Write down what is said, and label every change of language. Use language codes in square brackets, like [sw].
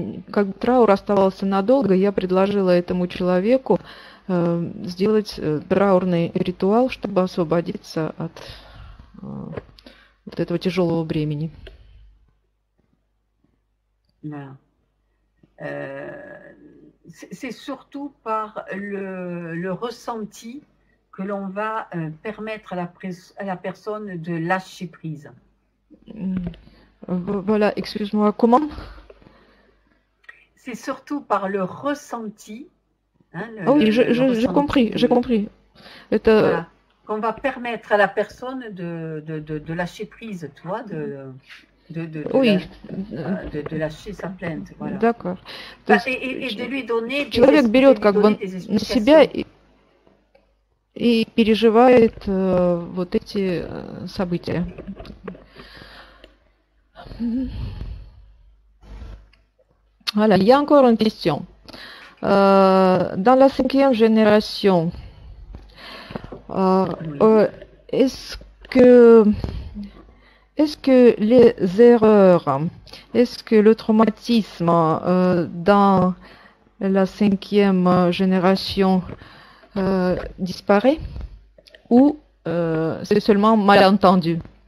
[ru] Как траур оставался надолго, я предложила этому человеку сделать траурный ритуал, чтобы освободиться от вот этого тяжелого бремени. Да. [fr] C'est surtout par le ressenti que l'on va permettre à la personne de lâcher prise. Voilà, excuse-moi, comment? C'est surtout par le ressenti. Ah oui, j'ai compris, j'ai compris. Voilà, qu'on va permettre à la personne de lâcher prise, tu vois, oui. De lâcher sa plainte. Voilà. D'accord. Bah, et de lui donner des [ru] Человек берет как бы на себя и переживает вот эти события. [fr] Voilà, il y a encore une question. Dans la cinquième génération, est-ce que les erreurs, est-ce que le traumatisme dans la cinquième génération disparaît ou c'est seulement malentendu?